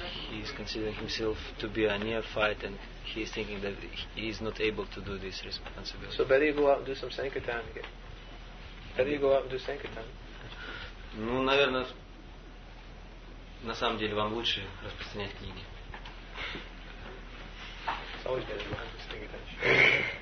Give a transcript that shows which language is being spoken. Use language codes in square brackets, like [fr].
[en] He is considering himself to be a neophyte and he is thinking that he is not able to do this responsibility. So better you go out and do some sankirtan again. Better you go out and do sankirtan. [ru] Ну, наверное, на самом деле вам лучше распространять книги. [en] It's always better to do sankirtan.